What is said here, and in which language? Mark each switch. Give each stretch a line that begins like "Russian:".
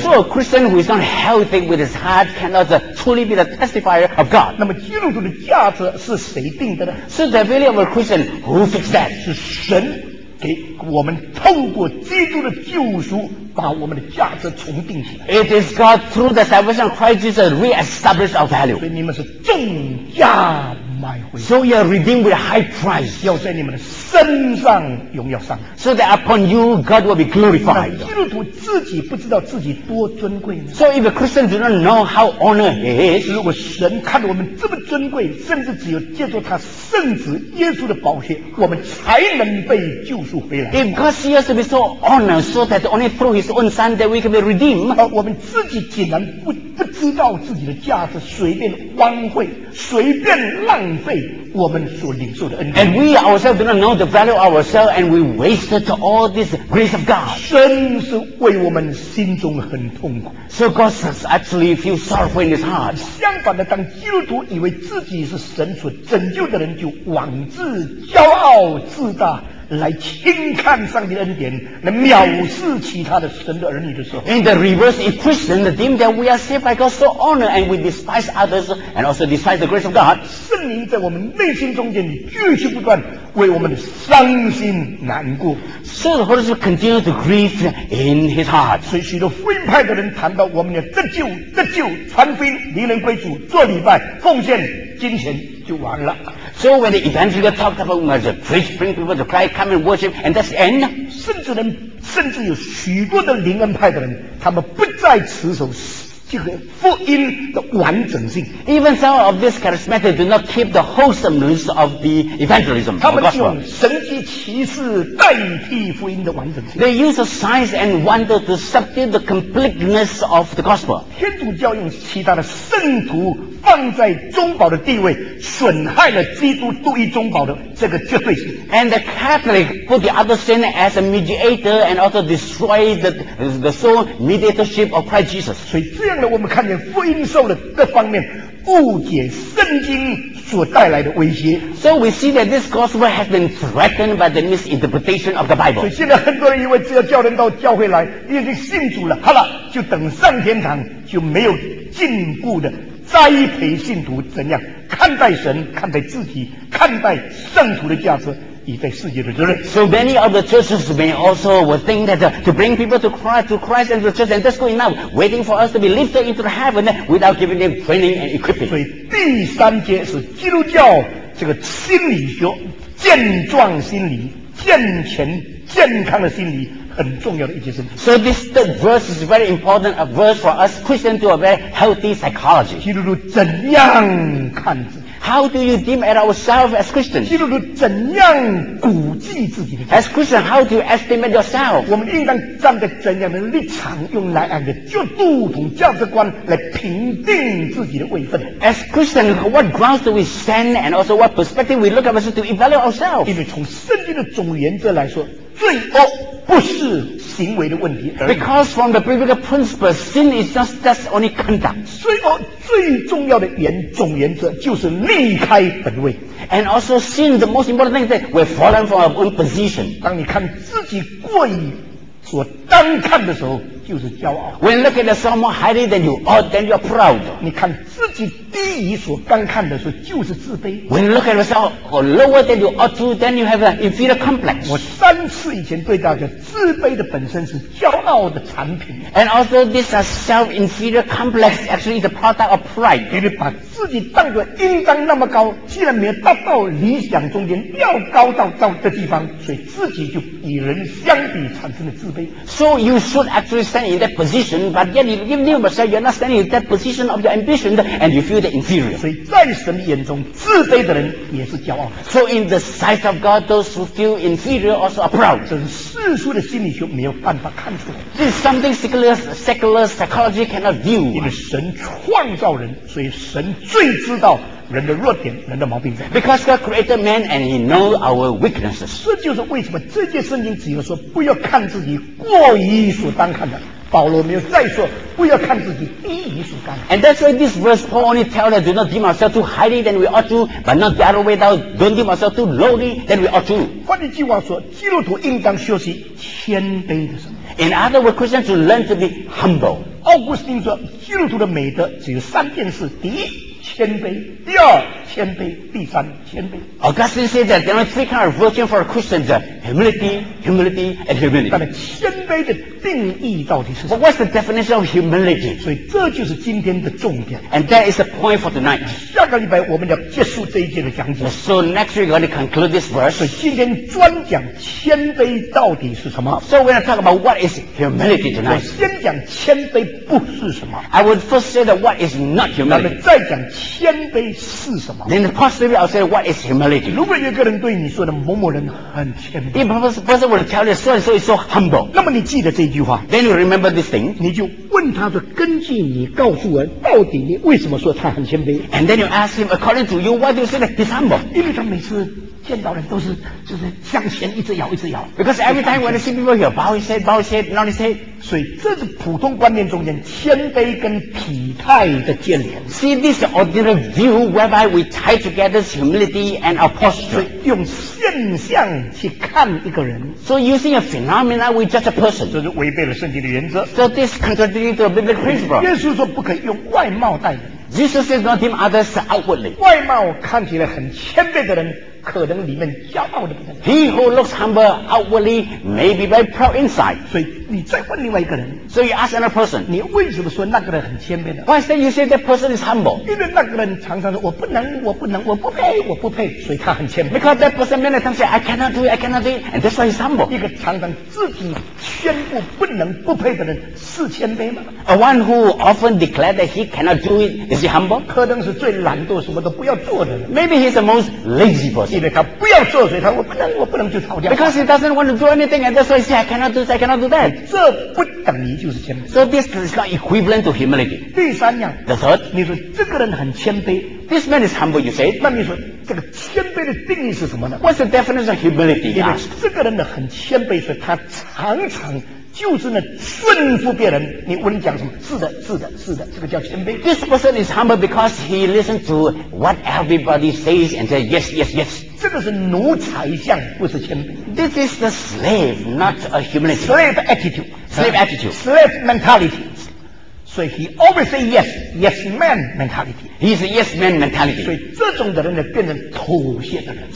English: So a Christian who is not healthy with his heart cannot truly be the testifier of God.
Chinese: 那么基督徒的价值是谁定的呢？
English: So the value of a Christian, who fixed that?
Chinese: 是神给我们透过基督的救赎把我们的价值重定起来。
English: It is God through the salvation of Christ Jesus re-establish our value.
Chinese: 所以你们是重价买回。
English: So you are redeemed with a high price.
Chinese: 要在你们的身上荣耀上。
English: So that upon you God will be glorified.
Chinese: 基督徒自己不知道自己多尊贵呢。
English: So if a Christian do not know how honored he is.
Chinese: 如果神看我们这么尊贵，甚至只有借助他圣子耶稣的宝血，我们才能被救。
English: If God sees us to be so honored, so that only through His own Son that we can be redeemed,
Chinese: 我们自己竟然不知道自己的价值，随便荒废，随便浪费我们所领受的恩典。
English: And we ourselves do not know the value of ourselves, and we wasted all this grace of God.
Chinese: 神是为我们心中很痛苦。
English: So God actually feels sorrowful in His heart.
Chinese: 相反的，当基督徒以为自己是神所拯救的人，就妄自骄傲自大。来轻看上帝的恩典，来藐视其他的神的儿女的时候。
English: In the reverse, if Christians deem that we are saved by God, so honor and we despise others, and also despise the grace of God,
Chinese: 圣灵在我们内心中间继续不断为我们的伤心难过。
English: So the Holy Spirit continues to grieve in his heart.
Chinese: 所以许多福音派的人谈到我们的得救、得救、传福音、离人归主、做礼拜、奉献、金钱就完了。
English: So when the evangelist talked about we must preach, bring people to Christ, come and worship, and that's the end.
Chinese: 甚至有许多的灵恩派的人，他们不再持守这个福音的完整性。
English: Even some of these charismatic do not keep the wholesomeness of the evangelism.
Chinese: 他们用神迹奇事代替福音的完整性。
English: They use signs and wonders to substitute the completeness of the gospel.
Chinese: 天主教用其他的圣徒放在中保的地位，损害了基督独一中保的这个绝对性。
English: And the Catholic put the other saint as a mediator and also destroyed the sole mediatorship of Christ Jesus.
Chinese: 所以这样的我们看见福音受了各方面误解圣经所带来的威胁。
English: So we see that this gospel has been threatened by the misinterpretation of the Bible.
Chinese: 所以现在很多人以为只要叫人到教会来，已经信主了，好了，就等上天堂，就没有进步的栽培信徒怎样看待神、看待自己、看待圣徒的价值，以在世界的责任。
English: So many of the churches may also will think that to bring people to Christ, and the church, and that's good enough, waiting for us to be lifted into the heaven without giving them training and equipping.
Chinese: 所以第三节是基督教这个心理学健壮心理、健全健康的心理。很重要的一节圣经。
English: So this third verse is very important, a verse for us Christians to a very healthy psychology.
Chinese: 基督徒怎样看自己？
English: How do you deem at ourselves as Christians?
Chinese: 基督徒怎样估计自己的？
English: As Christians, how do you estimate yourself?
Chinese: 我们应当站在怎样的立场，用哪样的角度同价值观来评定自己的位分？
English: As Christians, what grounds do we stand, and also what perspective we look at ourselves to evaluate ourselves?
Chinese: 因为从圣经的总原则来说，罪恶不是行为的问题。
English: Because from the biblical principle, sin is just that's only conduct.
Chinese: 罪恶最重要的总原则就是离开本位。
English: And also sin, the most important thing is that we're fallen from our own position.
Chinese: 当你看自己过于所单看的时候，就是骄傲。
English: When you look at someone more highly than you, or then you're proud.
Chinese: 你看自己低于所单看的时候，就是自卑。
English: When you look at yourself or lower than you, or then you have an inferior complex.
Chinese: 我三次以前对大家，自卑的本身是骄傲的产品。
English: And also, this is self-inferior complex. Actually, it's a product of pride.
Chinese: 因为把自己当作应当那么高，既然没有达到理想中间要高到的地方，所以自己就与人相比产生了自卑。
English: So you should actually stand in that position, but yet you give new yourself, you're not standing in that position of your ambition, and you feel the inferior.
Chinese: 所以在神眼中，自卑的人也是骄傲。
English: So in the sight of God, those who feel inferior also are proud.
Chinese: 这是世俗的心理学没有办法看出来。
English: This is something secular psychology cannot view.
Chinese: 因为神创造人，所以神最知道人的弱点，人的毛病在。
English: Because God created man and He knows our weaknesses.
Chinese: 这就是为什么这节圣经只有说不要看自己过于所当看的。保罗没有再说不要看自己低于所当。
English: And that's why this verse Paul only tells us do not deem ourselves too highly than we ought to, but not the other way down. Don't deem ourselves too lowly than we ought to.
Chinese: 换句话说，基督徒应当学习谦卑的生活。
English: In other words, Christians should learn to be humble.
Chinese: 奥古斯丁说，基督徒的美德只有三件事：第一，谦卑；第二，谦卑；第三，谦卑。
English: Augustine said that there are three kinds of virtue for a Christian: humility, humility, and humility.
Chinese: 但是谦卑的定义到底是什么？
English: But what's the definition of humility?
Chinese: 所以这就是今天的重点。
English: And that is the point for tonight.
Chinese: 下个礼拜我们要结束这一节的讲解。
English: So next week we're going to conclude this verse.
Chinese: 所以今天专讲谦卑到底是什么。
English: So we're going to talk about what is humility tonight.
Chinese: 我先讲谦卑不是什么。
English: I would first say that what is not humility.
Chinese: 那么再讲谦卑是什么。
English: Then possibly I'll say what is humility.
Chinese: 如果有个人对你说的某某人很谦卑。
English: If a person would tell you so and so is so humble.
Chinese: 那么你记得这一句话。
English: Then you remember this thing.
Chinese: 你就问他说，根据你告诉我，到底你为什么说他很谦卑？
English: And then you ask him, according to you, why do you say that he's humble?
Chinese: 因为他每次见到人都是就是向前一直摇一直摇。
English: Because every time when I see people here, bow his head, bow his head, nod his head.
Chinese: 所以这是普通观念中间谦卑跟体态的建立。
English: See this ordinary view whereby we tie together humility and our posture.
Chinese: 所以用现象去看一个人。
English: So using a phenomena, we judge a person.
Chinese: 这是违背了圣经的原则。
English: So this contradicts the biblical principle.
Chinese: 耶稣说不可以用外貌待人。
English: Jesus says not deem others outwardly.
Chinese: 外貌看起来很谦卑的人可能里面骄傲的不得了。
English: He who looks humble outwardly may be very proud inside.
Chinese: 所以你再问另外一个人。
English: So you ask another person.
Chinese: 你为什么说那个人很谦卑呢？
English: Why is that you say that person is humble?
Chinese: 因为那个人常常说我不能我不能我不配我不配所以他很谦卑。
English: Because that person many times say I cannot do it, I cannot do it, and that's why he's humble.
Chinese: 一个常常自己宣布不能不配的人是谦卑吗？
English: A one who often declares that he cannot do it, is he humble?
Chinese: 可能是最懒惰什么都不要做的人。
English: Maybe he's the most lazy person.
Chinese: 因为他不要做，所以他我不能，我不能就吵架。
English: Because he doesn't want to do anything, and that's why he says, "I cannot do this, I cannot do that."
Chinese: 这不等于就是谦卑。
English: So this is not equivalent to humility.
Chinese: 第三样。
English: The third.
Chinese: 你说这个人很谦卑。
English: This man is humble, you say.
Chinese: 那你说这个谦卑的定义是什么呢？
English: What's the definition of humility?
Chinese: 因为这个人的很谦卑，所以他常常。就是那顺服别人，你问你讲什么？是的，是的，是的，这个叫谦卑。
English: This person is humble because he listens to what everybody says and says yes, yes, yes.
Chinese: 这个是奴才相，不是谦卑。
English: This is the slave, not a humility. Slave attitude, slave attitude, slave mentality. So he always say yes, yes man mentality. He's a yes man mentality.
Chinese: 所以这种的人呢，变成妥协的人。